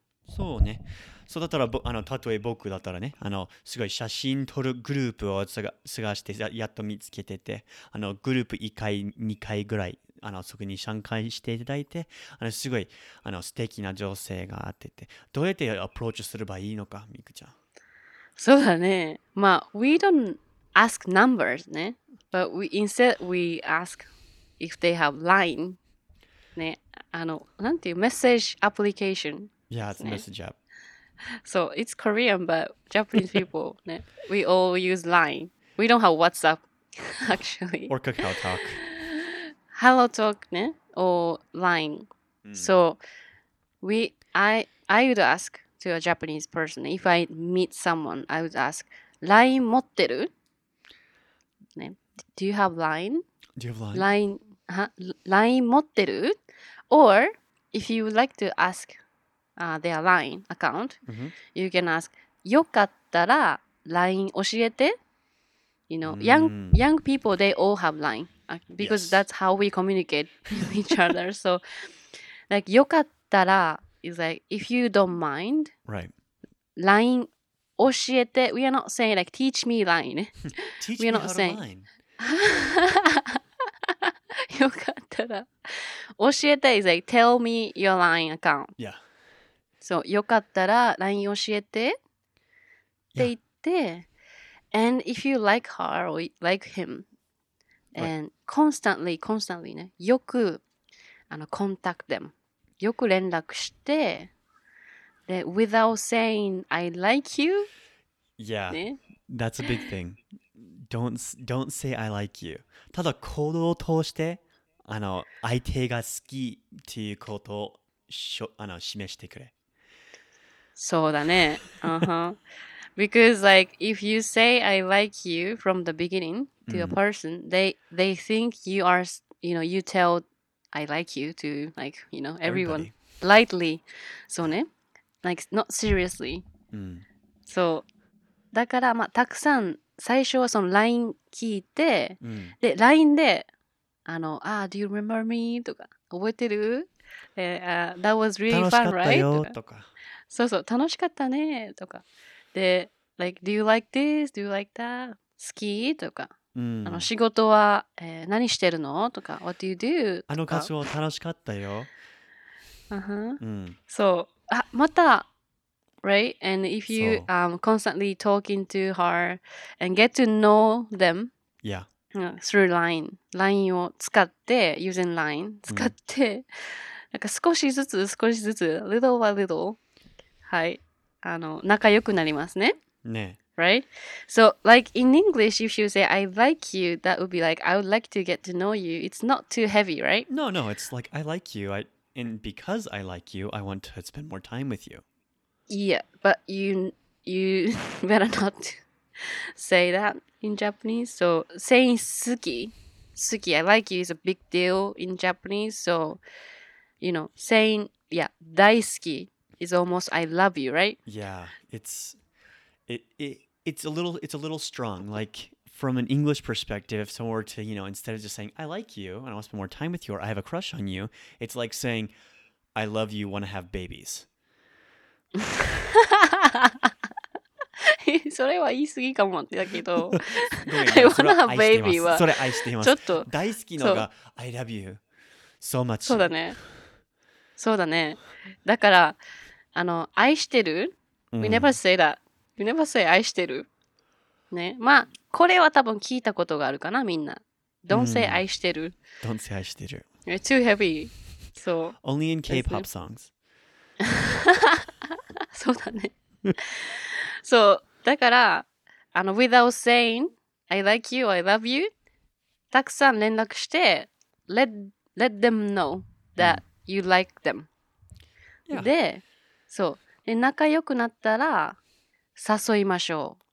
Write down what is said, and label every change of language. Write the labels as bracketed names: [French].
[Japanese] そうね、そうだったら、あの、たとえ僕だったらね、あの、すごい写真撮るグループを探して、やっと見つけてて、あの、グループ1回、2回ぐらい、あの、そこに参加していただいて、あの、すごい、あの、素敵な女性があってて、どうやってアプローチすればいいのか、ミクちゃん。そうだね。 [English] まあ、we don't ask numbers, ね。 But we, instead, we ask if they have line, ね。 [Japanese] あの、なんていう、メッセージアプリケーション。 [English] Yeah, it's message app. So it's Korean, but Japanese people, ne, we all use LINE. We don't have WhatsApp, actually. Or KakaoTalk. HelloTalk, ne, or LINE.、Mm. So I would ask to a Japanese person, if I meet someone, I would ask, [Japanese] LINE 持ってる? [English] Ne, do you have LINE? Do you have LINE? LINE [Japanese] 持ってる? [English] Or if you would like to ask... their LINE account,、 mm-hmm. you can ask, [Japanese] よかったら LINE 教えて? [English] You know,、mm-hmm. young people, they all have LINE, because、yes. that's how we communicate with each other. So, like, [Japanese] よかったら [English] is like, if you don't mind,、 right. [Japanese] LINE 教えて, [English] we are not saying, like, teach me LINE. teach me how to LINE. [Japanese] よかったら教えて [English] is like, tell me your LINE account. Yeah. So, [Japanese] よかったら LINE 教えてって言って、 [English] yeah. And if you like her or like him, And constantly, constantly ね、よくあの contact them、 [Japanese] よく連絡して、 [English] で without saying I like you、 yeah、ね、that's a big thing. Don't say I like you. [Japanese] ただ行動を通してあの相手が好きっていうことをあの示してくれ。そうだね。 [English] Because like if you say I like you from the beginning to a person,、mm-hmm. they think you are, you know, you tell I like you to like, you know, everyone、everybody. lightly. [Japanese] そうね。 [English] Like not seriously.、 Mm-hmm. [Japanese] そう。だからまあたくさん最初はその LINE 聞いて、 mm-hmm. で LINE であの、 [English] ah, do you remember me? [Japanese] とか覚えてる、 [English] that was really fun, right? [Japanese] 楽しかったよとか。そうそう、楽しかったねとか。 [English] で、like, do you like this? Do you like that? [Japanese] 好きとか、うん、あの仕事は、何してるのとか、 [English] What do you do? [Japanese] あの活動楽しかったよ。 Uh-huh. うん、そう、あ、また、right? [English] And if you、constantly talking to her and get to know them、 yeah. [Japanese] through LINE、LINE を使って、using LINE 使って、うん、なんか少しずつ、少しずつ、 [English] little by little、 [Japanese] はい。あの仲良くなりますね。ね。 [English] Right? So, like in English, if you say I like you, that would be like I would like to get to know you. It's not too heavy, right? No, no. It's like I like you. And because I like you, I want to spend more time with you. Yeah, but you better not say that in Japanese. So, saying 好き, I like you is a big deal in Japanese. So, you know, saying, yeah, 大好きis almost I love you, right? Yeah, it's a little strong. Like from an English perspective, if someone were to, you know, instead of just saying I like you and I want to spend more time with you or I have a crush on you, it's like saying I love you, want to have babies. [Japanese] それは言い過ぎかもってだけど、 [English] I want to have babies. [Japanese] それ愛してます。ちょっと大好きのが [English] I love you so much. [Japanese] そうだね。そうだね。だから。あの愛してる、 [English] mm. We never say that. We never say 愛してる。 [Japanese] ね。まあ、これは多分聞いたことがあるかな、みんな。 [English] Don't say 愛してる。 Don't say 愛してる。 Too heavy. So, only in K-pop songs. [Japanese] そうだね。 [English] そう、だから、あの、without saying I like you, I love you, [Japanese] たくさん連絡して、 [English] let them know that、mm. you like them.、 Yeah. [Japanese] で、そう、で仲良くなったら誘いましょう。